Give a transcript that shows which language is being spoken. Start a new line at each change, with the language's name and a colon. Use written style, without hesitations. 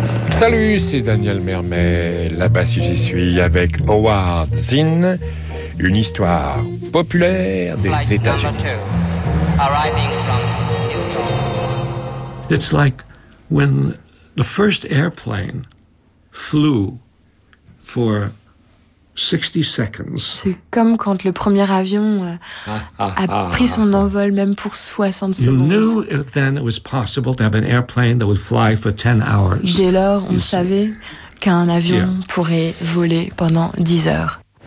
French: Salut, c'est Daniel Mermet, là-bas si j'y suis, avec Howard Zinn, une histoire populaire des Flight États-Unis.
English: Two, arriving from New York. It's like when the first airplane flew for 60 seconds.
French: C'est comme quand le premier avion pris son envol, même pour 60 secondes.
English: You knew it then it was possible to have an airplane that would fly for 10 hours.
French: Dès lors, on savait qu'un avion pourrait voler pendant 10 heures.